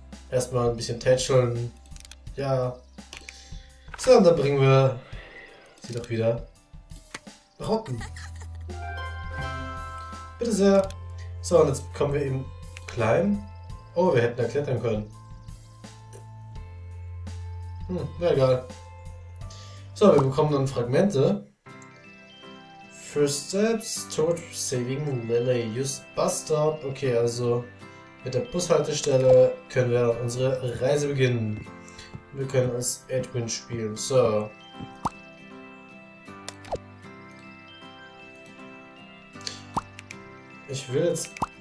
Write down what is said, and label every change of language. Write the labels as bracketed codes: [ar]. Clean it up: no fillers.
[de] Erstmal ein bisschen tätscheln. Ja. So, und dann bringen wir sie doch wieder nach unten. Bitte sehr. So, und jetzt kommen wir eben klein. Oh, wir hätten da klettern können. Ja, egal. So, wir bekommen dann Fragmente. [en] First steps toward saving Lily. Use bus stop. [de] Okay, also mit der Bushaltestelle können wir unsere Reise beginnen. Wir können als Edwin spielen. So. Ich will jetzt.